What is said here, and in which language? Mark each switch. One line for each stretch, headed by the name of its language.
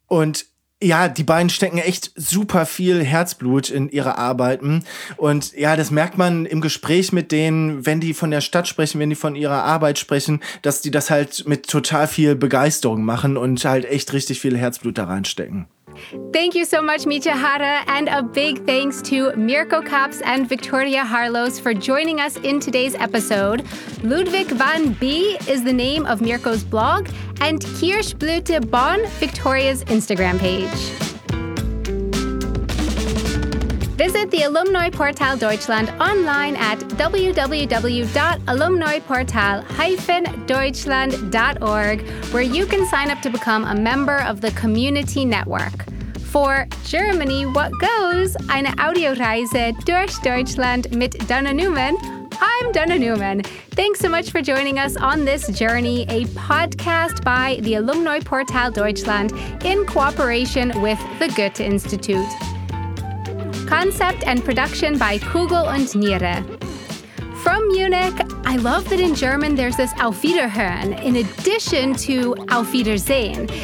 German: Und ja, die beiden stecken echt super viel Herzblut in ihre Arbeiten. Und ja, das merkt man im Gespräch mit denen, wenn die von der Stadt sprechen, wenn die von ihrer Arbeit sprechen, dass die das halt mit total viel Begeisterung machen und halt echt richtig viel Herzblut da reinstecken.
English: Thank you so much, Mitya Hara, and a big thanks to Mirko Kaps and Victoria Harlos for joining us in today's episode. Ludwig van B is the name of Mirko's blog, and Kirschblüte Bonn, Victoria's Instagram page. Visit the Alumni Portal Deutschland online at www.alumniportal-deutschland.org, where you can sign up to become a member of the community network. For Germany, what goes?
German: Eine Audioreise durch Deutschland mit Donna Newman.
English: I'm Donna Newman. Thanks so much for joining us on this journey, a podcast by the Alumni Portal Deutschland in cooperation with the Goethe-Institut. Concept and production by Kugel und Niere. From Munich, I love that in German there's this Auf Wiederhören in addition to Auf Wiedersehen.